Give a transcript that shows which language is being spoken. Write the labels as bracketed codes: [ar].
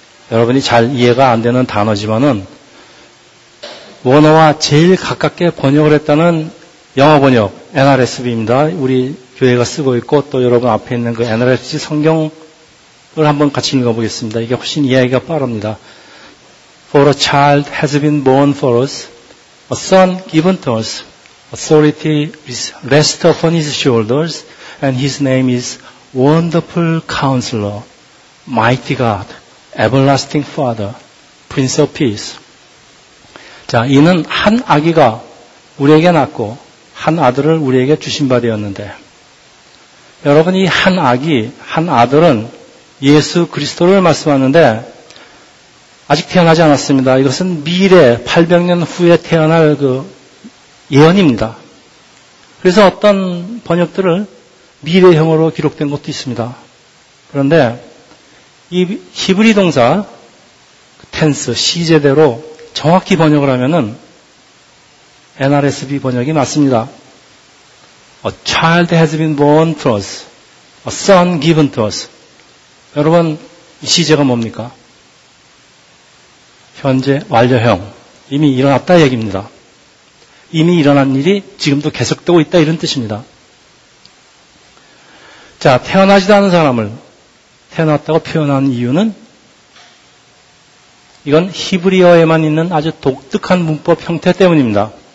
[ko] 여러분이 잘 이해가 안 되는 단어지만은 원어와 제일 가깝게 번역을 했다는 영어 번역 NRSV입니다. 우리 교회가 쓰고 있고 또 여러분 앞에 있는 그 NRSV 성경을 한번 같이 읽어보겠습니다. 이게 훨씬 이해하기가 빠릅니다. [en] For a child has been born for us, a son given to us, authority is rest upon his shoulders, and his name is Wonderful Counselor, Mighty God, Everlasting Father, Prince of Peace. [ko] 자, 이는 한 아기가 우리에게 낳고 한 아들을 우리에게 주신 바 되었는데, 여러분, 이 한 아기, 한 아들은 예수 그리스도를 말씀하는데, 아직 태어나지 않았습니다. 이것은 미래 800년 후에 태어날 그 예언입니다. 그래서 어떤 번역들을 미래형으로 기록된 것도 있습니다. 그런데 이 히브리 동사 텐스, 시제대로 정확히 번역을 하면은 NRSV 번역이 맞습니다. [en] A child has been born to us. A son given to us. [ko] 여러분, 이 시제가 뭡니까? 현재 완료형, 이미 일어났다 얘기입니다. 이미 일어난 일이 지금도 계속되고 있다 이런 뜻입니다. 자, 태어나지도 않은 사람을 태어났다고 표현한 이유는 이건 히브리어에만 있는 아주 독특한 문법 형태 때문입니다.